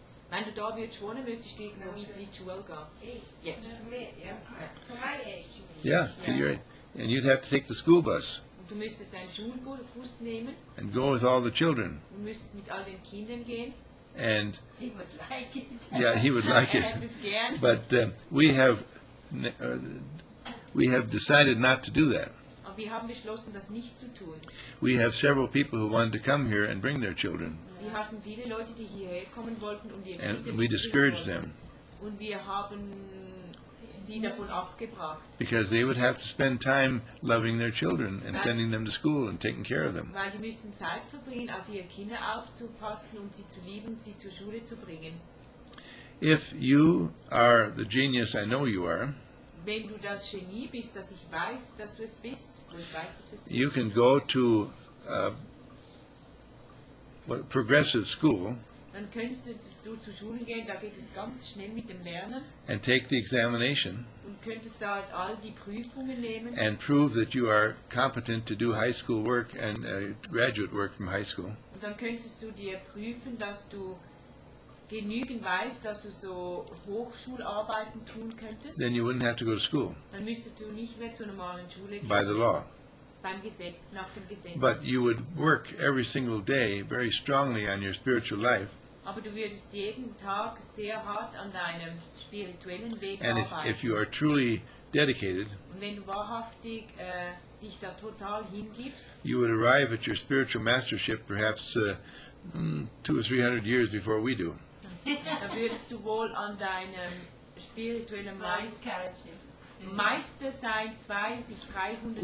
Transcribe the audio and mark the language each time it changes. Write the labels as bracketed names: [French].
[German] Wenn du da wirst wohnen, müsstest du irgendwo in die Schule gehen. Ja. [English] For my age. Yeah, and you'd have to take the school bus. [German] Und du müsstest deinen Schulbus nehmen. [English] And go with all the children. [German] Und müsstest mit all den Kindern gehen. [English] And he would like it. Yeah, he would like it. But we have decided not to do that. [German] Aber wir haben beschlossen, das nicht zu tun. [English] We have several people who wanted to come here and bring their children. [German] Wir hatten viele Leute, die hierher kommen wollten, um ihre Kinder zu bringen. [English] We discouraged them. [German] Und wir haben sie davon abgebracht. [English] Because they would have to spend time loving their children and sending them to school and taking care of them. [German] Weil sie müssen Zeit verbringen, auf ihre Kinder aufzupassen und sie zu lieben, sie zur Schule zu bringen. [English] If you are the genius I know you are, [German] wenn du das Genie bist, das ich weiß, dass du es bist, und ich weiß, dass du es bist, [English] you can go to progressive school, [German] dann könntest du zur Schule gehen, da geht es ganz schnell mit dem Lernen, [English] and take the examination, [German] und könntest da all die Prüfungen nehmen, [English] and prove that you are competent to do high school work and graduate work from high school, [German] und dann könntest du dir prüfen, dass du genügend weißt, dass du so Hochschularbeiten tun könntest, [English] then you wouldn't have to go to school, [German] dann müsstest du nicht mehr zur normalen Schule gehen, [English] by the law. [German] Gesetz, [English] but you would work every single day very strongly on your spiritual life. [German] Aber du würdest jeden Tag sehr hart an deinem spirituellen Weg [English] and [German] arbeiten. [English] If you are truly dedicated, [German] und wenn du wahrhaftig dich da total hingibst, [English] you would arrive at your spiritual mastership perhaps 200 or 300 years before we do. [German] Dann würdest du wohl an deinem spirituellen Meister sein 200 bis 300